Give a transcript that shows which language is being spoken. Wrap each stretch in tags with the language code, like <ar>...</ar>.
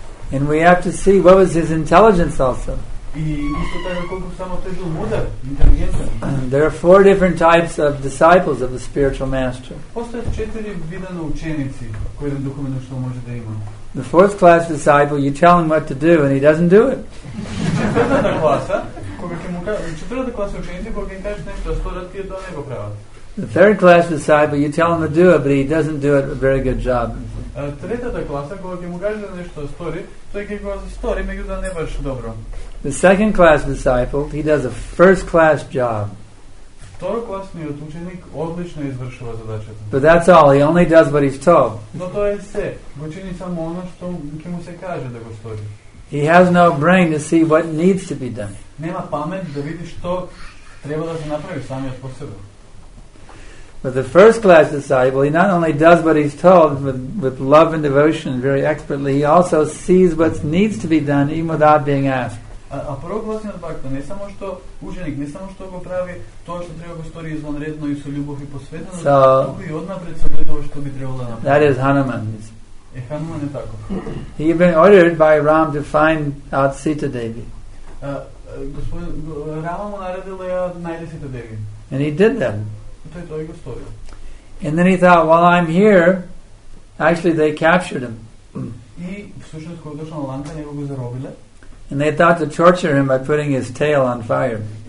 <en>And we have to see what was his intelligence also. There are four different types of disciples of the spiritual master. The fourth class disciple, you tell him what to do and he doesn't do it.</en> <mk>Четврта класа ученици, кога им кажеш нешто, сторат тие тоа не го прават.</mk> <en>The third class disciple, you tell him to do it, but he doesn't do it a very good job. The second class disciple, he does a first class job.</en> <mk>Второкласниот ученик одлично извршува задачата.</mk> <en>But that's all. He only does what he's told.</en> <mk>Но тоа е се. Го чини само оно што ќе му се каже да го стори.</mk> <en>He has no brain to see what needs to be done.</en> <mk>Нема памет да види што треба да се направи самиот по себе.</mk> <en>But the first class disciple, he not only does what he's told with love and devotion very expertly, he also sees what needs to be done even without being asked.</en> <mk>А првокласниот пак не само што ученик, не само што го прави тоа што треба го стори извонредно и со љубов и посветено,</mk> <en>so,</en> <mk>туку и однапред се гледува што би требало да направи.</mk> <en>That is Hanuman.</en> <mk>Е, Hanuman е таков.</mk> <en>He had been ordered by Ram to find out Sita Devi.</en> <mk>Рама му наредил ја најде Сита Деви.</mk> <en>And he did that.</en> <mk>И тој тоа го стори.</mk> <en>And then he thought, while I'm here, actually they captured him.</en> <mk>И всушност кога дошол на Ланка, него го заробиле.</mk> <en>And they thought to torture him by putting his tail on fire.</en>